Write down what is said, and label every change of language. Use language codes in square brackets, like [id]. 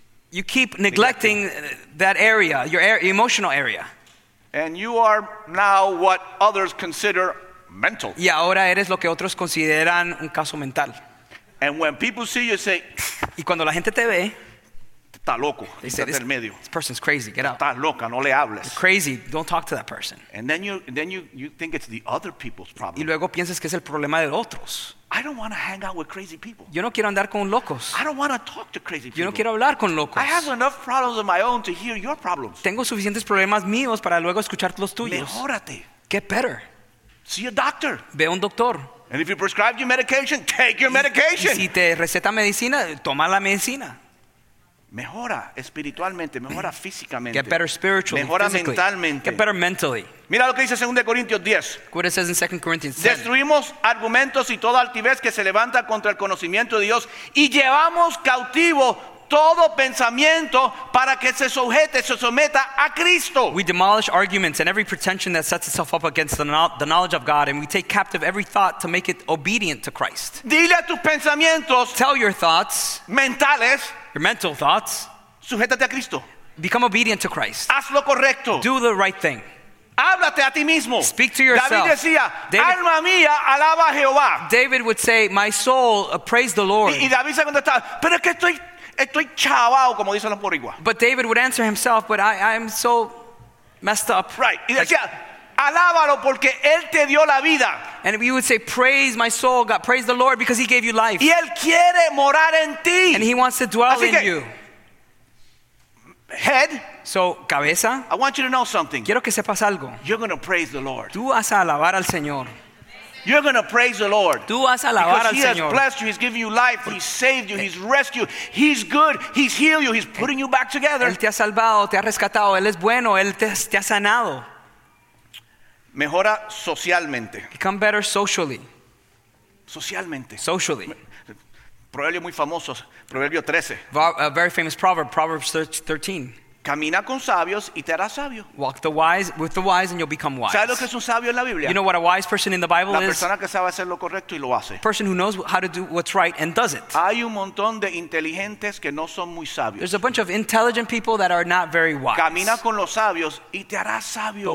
[en] You keep neglecting that area, your emotional area. And you are now what others consider mental. [es] Y ahora eres lo que otros consideran un caso mental. [en] And when people see you, say, [es] y cuando la gente te ve, está loco, está en el medio. [en] This person's crazy. Get out. [es] Está loca, no le hables. [en] You're crazy. Don't talk to that person. And then you think it's the other people's problem. [es] Y luego piensas que es el problema de otros. [en] I don't want to hang out with crazy people. [es] Yo no quiero andar con locos. [en] I don't want to talk to crazy people. [es] Yo no quiero hablar con locos. [en] I have enough problems of my own to hear your problems. [es] Tengo suficientes problemas míos para luego escuchar los tuyos. Mejórate. [en] Get better. See a doctor. [es] Ve a un doctor. [en] And if he prescribes you medication, take your medication. [es] Si te receta medicina, toma la medicina. Mejora espiritualmente, mejora físicamente. [en] Get better spiritually, [es] mejora [en] physically. [es] Mentalmente. [en] Get better mentally. [es] Mira lo que dice 2 Corintios 10. [en] What it says in 2 Corinthians 10. [es] Destruimos argumentos y toda altivez que se levanta contra el conocimiento de Dios y llevamos cautivo todo pensamiento para que se sujete, se someta a Cristo. [en] We demolish arguments and every pretension that sets itself up against the knowledge of God, and we take captive every thought to make it obedient to Christ. [es] Dile a tus pensamientos, [en] tell your thoughts, [es] mentales, [en] your mental thoughts, [es] sujétate a Cristo. [en] Become obedient to Christ. [es] Haz lo correcto. [en] Do the right thing. [es] Háblate a ti mismo. [en] Speak to yourself. [es] David decía, alma mía, alaba a Jehová. [en] David would say, my soul, praise the Lord. [es] Y David se contestaba, pero es que estoy chavao, como dicen los boricua. [en] But David would answer himself, but I'm so messed up. Right. [es] Y decía, alábalo porque él te dio la vida. [en] And we would say, praise my soul, God, praise the Lord because he gave you life. [es] Y él quiere morar en ti. [en] And he wants to dwell [es] Así que, [en] in you. Head. So, cabeza. I want you to know something. [es] Quiero que sepas algo. [en] You're going to praise the Lord. [es] Tú vas a alabar al Señor. [en] You're going to praise the Lord. [es] Tú vas a alabar al [en] He has blessed you. He's given you life. He's saved you. He's rescued. He's good. He's healed you. He's putting you back together. [es] Él te ha salvado, te ha rescatado. Él es bueno. Él te ha sanado. Mejora socialmente. [en] Become better socially. [es] Socialmente. [en] Socially. [es] Proverbio muy famoso. Proverbio 13. [en] A very famous proverb. Proverbs 13. [es] Camina con sabios y te harás sabio. [en] Walk the wise, with the wise and you'll become wise. [es] ¿Sabes lo que es un sabio en la Biblia? [en] You know what a wise person in the Bible [es] is? La persona que sabe hacer lo correcto y lo hace. [en] Person who knows how to do what's right and does it. [es] Hay un montón de inteligentes que no son muy sabios. [en] There's a bunch of intelligent people that are not very wise. [es] Camina con los sabios y te harás sabio.